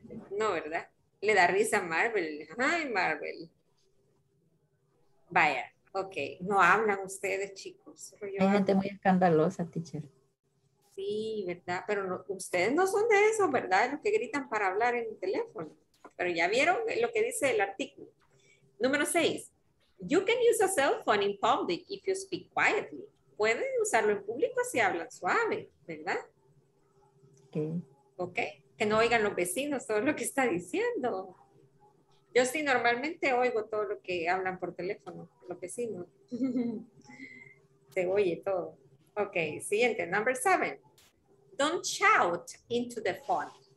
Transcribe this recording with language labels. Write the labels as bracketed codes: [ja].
[es] No, ¿verdad? Le da risa a Marvel. ¡Ay, Marvel! Vaya, ok. No hablan ustedes, chicos. Hay gente muy escandalosa, teacher. Sí, ¿verdad? Pero no, ustedes no son de eso, ¿verdad? Los que gritan para hablar en el teléfono. Pero ya vieron lo que dice el artículo. Número 6. [en] You can use a cell phone in public if you speak quietly. [es] Pueden usarlo en público si hablan suave, ¿verdad? Ok. Ok. Que no oigan los vecinos todo lo que está diciendo. Yo sí normalmente oigo todo lo que hablan por teléfono, los vecinos. Se oye todo. Ok, siguiente, [en] number 7. Don't shout into the phone.